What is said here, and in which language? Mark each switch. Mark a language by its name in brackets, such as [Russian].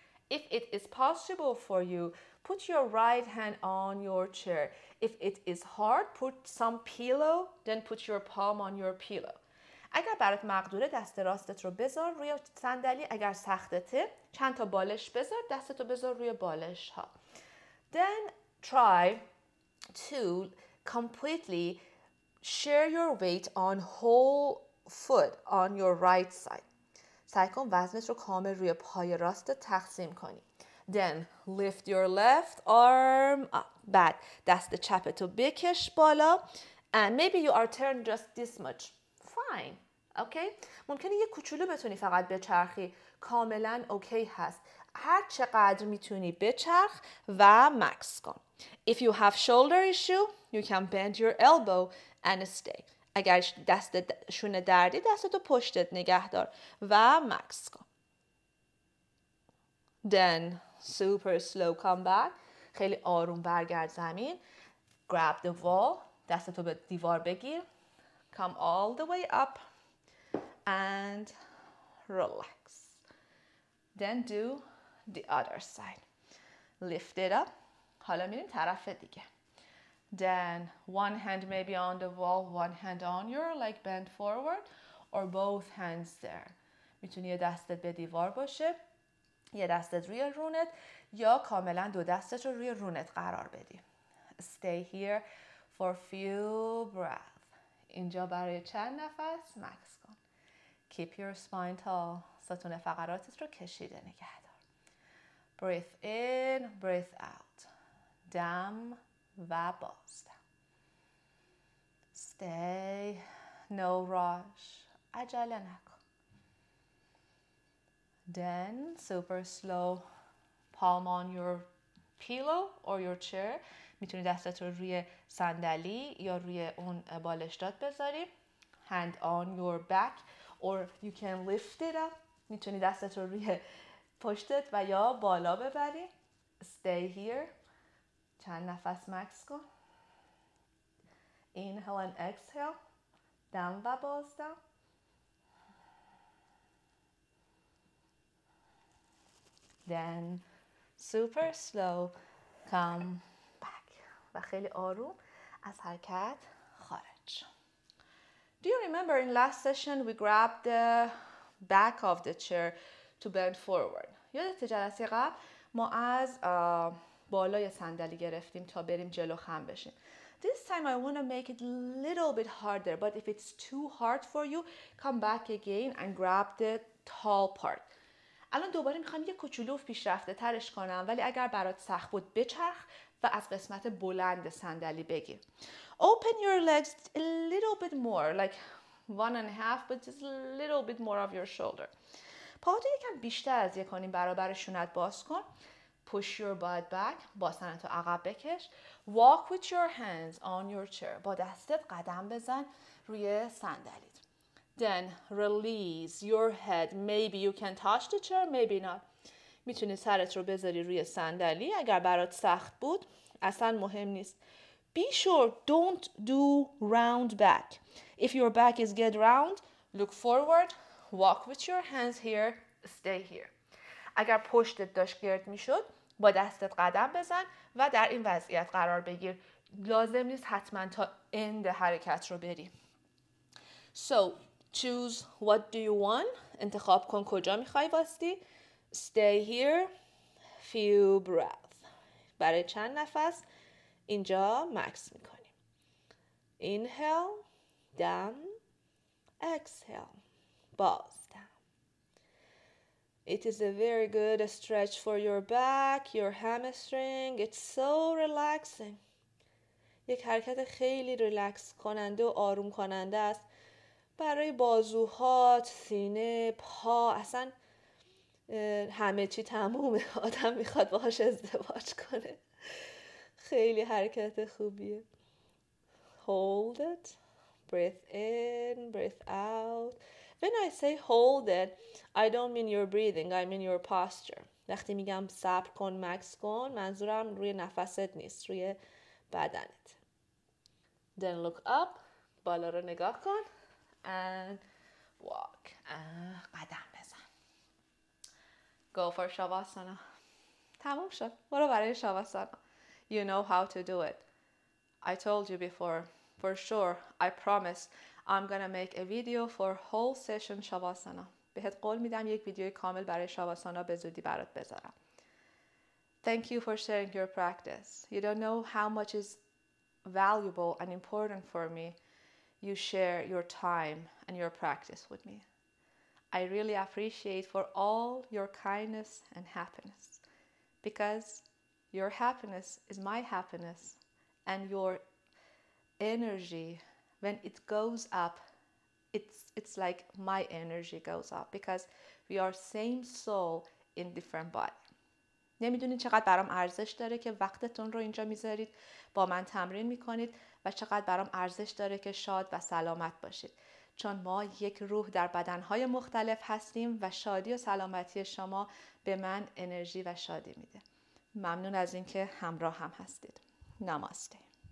[English] If it is possible for you, put your right hand on your chair. If it is hard, put some pillow, then put your palm on your pillow. [Persian] اگر برات مقدوره دست راستت رو بذار روی صندلی، اگر سختته چند تا بالش بذار، دستت رو بذار روی بالش ها. [English] Then try to completely share your weight on whole foot on your right side. [Persian] سعی کن وزنت رو کامل روی پای راستت تقسیم کنی. [English] Then lift your left arm up. [Persian] بعد دست چپت رو بکش بالا. [English] And maybe you are turned just this much. Fine. Okay. [Persian] ممکنه یه کوچولو بتونی فقط بچرخی. کاملا اوکی هست. هر چقدر میتونی بچرخ و مکس کن. [English] If you have shoulder issue, you can bend your elbow and stay. [Persian] اگر دست شونه دردی دستتو پشتت نگه دار و مکس کن. [English] Then super slow come back. [Persian] خیلی آروم برگرد زمین. [English] Grab the wall. [Persian] دستتو به دیوار بگیر. [English] Come all the way up. And relax. Then do the other side. Lift it up. [Persian] حالا میریم طرف دیگه. [English] Then one hand maybe on the wall, one hand on your leg, bend forward, or both hands there. [Persian] میتونی یه دستت به دیوار باشه، یه دستت روی رونت، یا کاملا دو دستت رو روی رونت قرار بدی. [English] Stay here for few breath. [Persian] اینجا برای چند نفس مکس کن. [English] Keep your spine tall. [Persian] ستون فقراتت رو کشیده نگه دار. [English] Breathe in, breathe out. [Persian] دم و بازدم. [English] Stay, no rush. [Persian] عجله نکن. [English] Then, super slow, palm on your pillow or your chair. [Persian] میتونی دستت رو روی صندلی یا روی اون بالشتات بذاری. [English] Hand on your back or you can lift it up. [Persian] میتونی دستت رو روی پشتت و یا بالا ببری. [English] Stay here. [Persian] چند نفس مکس کن. [English] Inhale and exhale. [Persian] دم و بازدم. [English] Then super slow come back. [Persian] و خیلی آروم از حرکت خارج. [English] Do you remember in last session we grabbed the back of the chair to bend forward? [Persian] یادت جلسه قبل ما از بالای صندلی گرفتیم تا بریم جلو خم بشیم. [English] This time I want to make it a little bit harder, but if it's too hard for you, come back again and grab the tall part. [Persian] الان دوباره میخوام یه کوچولو پیشرفته ترش کنم، ولی اگر برات سخت بود بچرخ و از قسمت بلند صندلی بگیر. [English] Open your legs a little bit more, like one and a half, but just a little bit more of your shoulder. [Persian] پاهاتو یکم بیشتر از یک و نیم برابر شونت باز کن. [English] Push your butt back. [Persian] باسنتو عقب بکش. [English] Walk with your hands on your chair. [Persian] با دستت قدم بزن روی صندلیت. [English] Then release your head. Maybe you can touch the chair, maybe not. [Persian] میتونی سرت رو بذاری روی صندلی. اگر برات سخت بود اصلا مهم نیست. [English] Be sure don't do round back. If your back is get round, look forward. Walk with your hands here. Stay here. [Persian] اگر پشتت داشت گرد میشد با دستت قدم بزن و در این وضعیت قرار بگیر. لازم نیست حتما تا اند حرکت رو بری. [English] So choose what do you want. [Persian] انتخاب کن کجا میخوای واستی. [English] Stay here. Few breath. [Persian] برای چند نفس اینجا مکس میکنیم. [English] Inhale. [Persian] دم. [English] Exhale. [Persian] باز. [English] It is a very good stretch for your back, your hamstring. It's so relaxing. [Persian] یک حرکت خیلی ریلکس کننده و آروم کننده است برای بازوهات، سینه، پا، اصلا همه چی تمومه. آدم میخواد باهاش ازدواج کنه. خیلی حرکت خوبیه. [English] Hold it. Breathe in, breathe out. When I say hold it, I don't mean your breathing, I mean your posture. [Persian] وقتی میگم صبر کن، مکس کن، منظورم روی نفست نیست، روی بدنت. [English] Then look up, [Persian] بالا رو نگاه کن [English] and walk. [Persian] قدم بزن. [English] Go for Shavasana. [Turkish] Tamamdır. [English] What about it, Shavasana? You know how to do it. I told you before, for sure, I promise, I'm gonna make a video for whole session Shavasana. [Persian] بهت قول میدم یک ویدیوی کامل برای شاواسانا به زودی برات بذارم. [English] Thank you for sharing your practice. You don't know how much is valuable and important for me. You share your time and your practice with me. I really appreciate for all your kindness and happiness. Because your happiness is my happiness and your energy, when it goes up, it's like my energy goes up because we are same soul in different body. [Persian] نمیدونید چقدر برام ارزش داره که وقتتون رو اینجا میذارید با من تمرین میکنید و چقدر برام ارزش داره که شاد و سلامت باشید چون ما یک روح در بدنهای مختلف هستیم و شادی و سلامتی شما به من انرژی و شادی میده. ممنون از اینکه همراه هم هستید. نماسته.